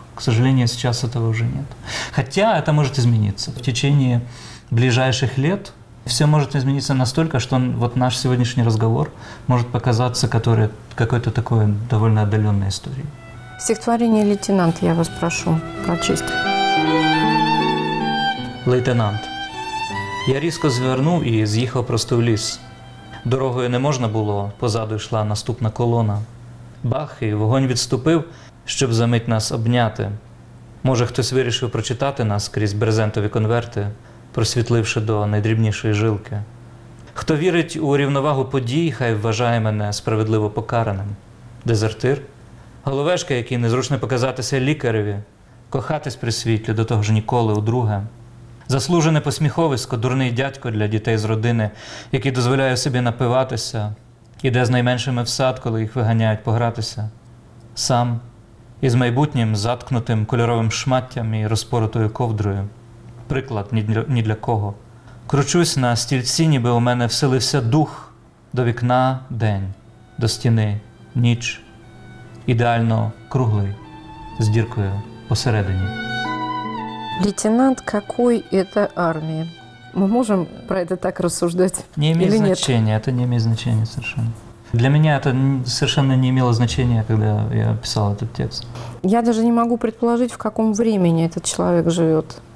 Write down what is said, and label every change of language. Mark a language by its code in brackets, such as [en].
[ru] К сожалению, сейчас этого уже нет. Хотя это может измениться. В течение ближайших лет все может измениться настолько, что вот наш сегодняшний разговор может показаться который, какой-то такой довольно отдаленной историей. Стихотворение «Лейтенант» я вас прошу прочесть. Лейтенант. [uk] Я різко звернув і з'їхав просто в ліс. Дорогою не можна було, позаду йшла наступна колона. Бах, і вогонь відступив, щоб за мить нас обняти. Може, хтось вирішив прочитати нас крізь брезентові конверти, просвітливши до найдрібнішої жилки. Хто вірить у рівновагу подій, хай вважає мене справедливо покараним. Дезертир? Головешка, який незручно показатися лікареві. Кохатись при світлі, до того ж ніколи удруге. Заслужене посміховисько, дурний дядько для дітей з родини, який дозволяє собі напиватися, іде з найменшими в сад, коли їх виганяють погратися. Сам із майбутнім заткнутим кольоровим шматтям і розпоротою ковдрою. Приклад ні для кого. Кручусь на стільці, ніби у мене вселився дух. До вікна – день, до стіни – ніч. Ідеально круглий, з діркою посередині. [ru] Лейтенант какой это армии? Мы можем про это так рассуждать? Не имеет или значения, нет? Это не имеет значения совершенно. Для меня это совершенно не имело значения, когда я писал этот текст. Я даже не могу предположить, в каком времени этот человек живет.